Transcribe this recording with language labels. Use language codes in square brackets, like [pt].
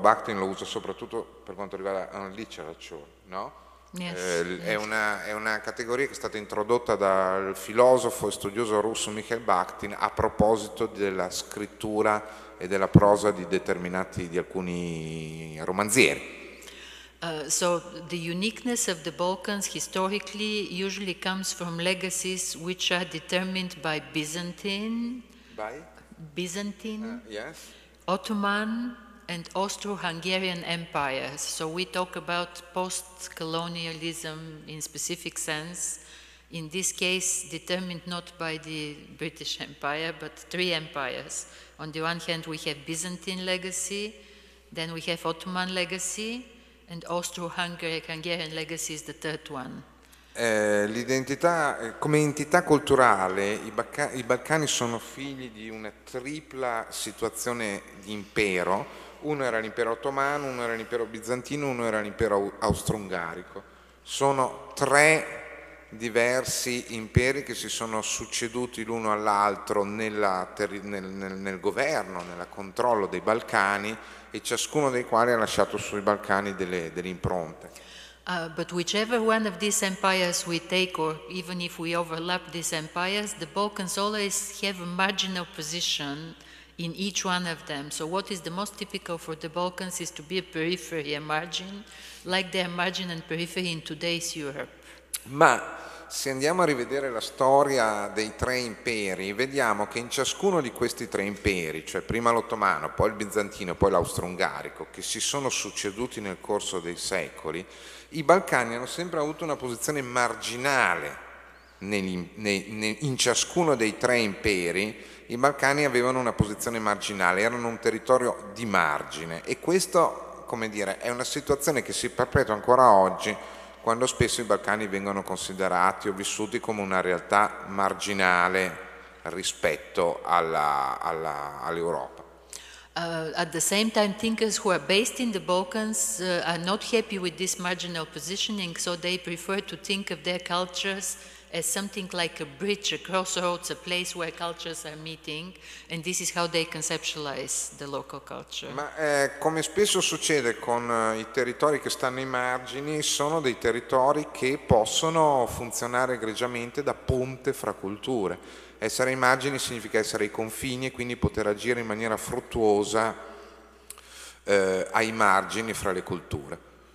[it] Bakhtin lo usa soprattutto per quanto riguarda literature, no? È una categoria che è stata introdotta dal filosofo e studioso russo Mikhail Bakhtin a proposito della scrittura e della prosa di alcuni romanzieri. [en] So the uniqueness of the Balkans historically usually comes from legacies which are determined by Byzantine, yes. Ottoman and Austro-Hungarian empires. So we talk about post-colonialism in specific sense, in this case determined not by the British Empire but three empires. On the one hand we have Byzantine legacy, then we have Ottoman legacy, and Austro-Hungarian legacy is the third one. [it] L'identità, come entità culturale, i Balcani sono figli di una tripla situazione di impero, uno era l'impero ottomano, uno era l'impero bizantino, uno era l'impero austro-ungarico. Sono tre diversi imperi che si sono succeduti l'uno all'altro nel governo, nel controllo dei Balcani, e ciascuno dei quali ha lasciato sui Balcani delle impronte. [en] But whichever one of these empires we take, or even if we overlap these empires, the Balkans always have a marginal position in each one of them. So what is the most typical for the Balkans is to be a periphery, a margin, like their margin and periphery in today's Europe. [it] Ma se andiamo a rivedere la storia dei tre imperi, vediamo che in ciascuno di questi tre imperi, cioè prima l'ottomano, poi il bizantino, poi l'austro-ungarico, che si sono succeduti nel corso dei secoli, i Balcani hanno sempre avuto una posizione marginale in ciascuno dei tre imperi. I Balcani avevano una posizione marginale, erano un territorio di margine, e questo, come dire, è una situazione che si perpetua ancora oggi, quando spesso i Balcani vengono considerati o vissuti come una realtà marginale rispetto all'Europa. [en] At the same time, thinkers who are based in the Balkans are not happy with this marginal positioning, so they prefer to think of their cultures as something like a bridge, a crossroads, a place where cultures are meeting, and this is how they conceptualize the local culture. [it] Ma come spesso succede con i territori che stanno ai margini, sono dei territori che possono funzionare egregiamente da ponte fra culture. Essere ai margini significa essere ai confini, e quindi poter agire in maniera fruttuosa ai margini fra le culture.